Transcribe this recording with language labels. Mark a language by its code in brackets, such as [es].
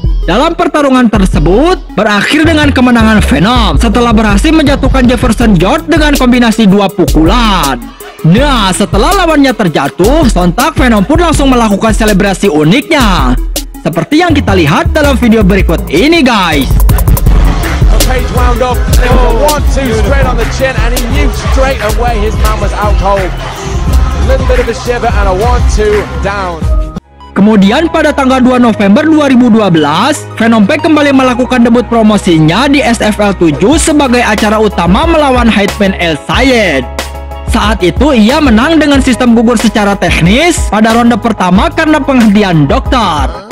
[id] Dalam pertarungan tersebut, berakhir dengan kemenangan Venom setelah berhasil menjatuhkan Jefferson George dengan kombinasi 2 pukulan. Nah, setelah lawannya terjatuh, sontak Venom pun langsung melakukan selebrasi uniknya. Seperti yang kita lihat dalam video berikut ini, guys. [en] Page wound up, and it was a 1-2 straight on the chin, and he knew straight away his man was out cold. A little bit of a shiver and a 1-2 down. [id] Kemudian pada tanggal 2 November 2012, Venom Pack kembali melakukan debut promosinya di SFL 7 sebagai acara utama melawan Hitman El Sayed. Saat itu ia menang dengan sistem gugur secara teknis pada ronde pertama karena penghentian dokter.